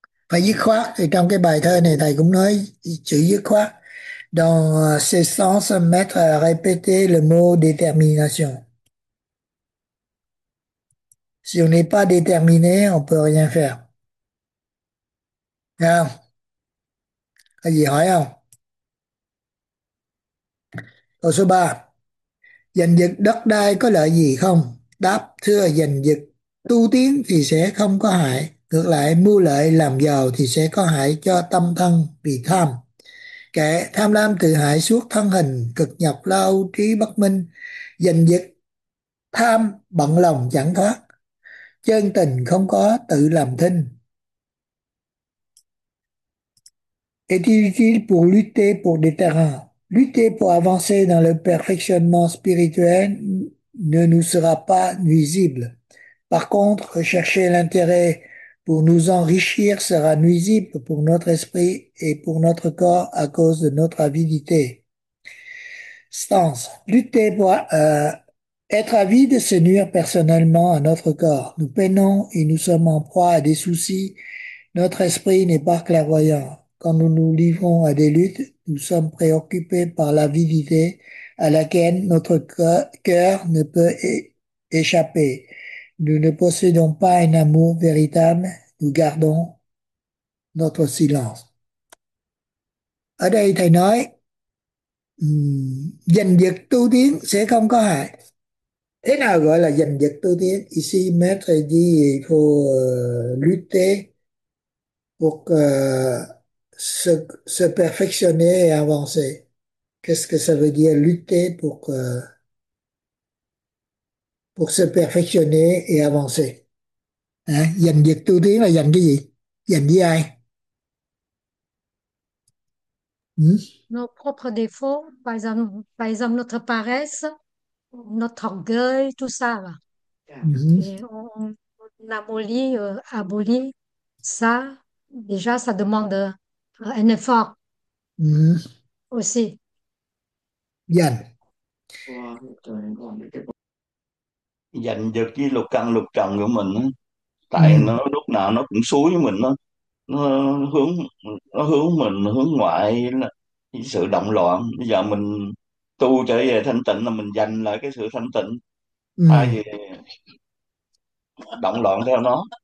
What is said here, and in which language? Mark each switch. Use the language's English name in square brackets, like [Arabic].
[Vietnamese] Phải dứt khoát, thì trong cái bài thơ này thầy cũng nói chữ dứt khoát [French] dans ce sens mettre à répéter le mot détermination. Si on n'est pas déterminé, on peut rien faire. [Vietnamese] Non. Có gì hỏi không? Câu số 3. Giành giật đất đai có lợi gì không? Đáp, thưa giành giật tu tiến thì sẽ không có hại. Ngược lại, mưu lợi làm giàu thì sẽ có hại cho tâm thân vì tham. Kẻ tham lam tự hại suốt thân hình, cực nhọc lao trí bất minh, giành giật tham bận lòng chẳng thoát. Chân tình không có tự làm thinh. [French] Est-il utile pour lutter pour déterrer? Lutter pour avancer dans le perfectionnement spirituel ne nous sera pas nuisible. Par contre, rechercher l'intérêt pour nous enrichir sera nuisible pour notre esprit et pour notre corps à cause de notre avidité. Stance. Lutter pour être avide, c'est nuire personnellement à notre corps. Nous peinons et nous sommes en proie à des soucis. Notre esprit n'est pas clairvoyant. Quand nous nous livrons à des luttes, nous sommes préoccupés par l'avidité à laquelle notre cœur ne peut échapper. Nous ne possédons pas un amour véritable, nous gardons notre silence. [Vietnamese] Ở đây thầy nói, giành giật tu tiến sẽ không có hại. Thế nào gọi là giành giật tu tiến? [French] Ici, maître dit, il faut lutter pour se perfectionner et avancer. Qu'est-ce que ça veut dire lutter pour se perfectionner et avancer? Hein? [Vietnamese] Giành giật tu tiến là giành cái gì? Giành với ai? [French] Nos propres défauts, par exemple notre paresse, notre orgueil, tout ça, là. Et on abolit, abolit ça. Déjà, ça demande un effort aussi. [Vietnamese] Giành giật với lục căn lục trần của mình á, tại nó lúc nào nó cũng xúi mình, nó hướng mình hướng ngoại sự động loạn. Bây giờ mình tu trở về thanh tịnh là mình giành lại cái sự thanh tịnh thay vì động loạn theo nó.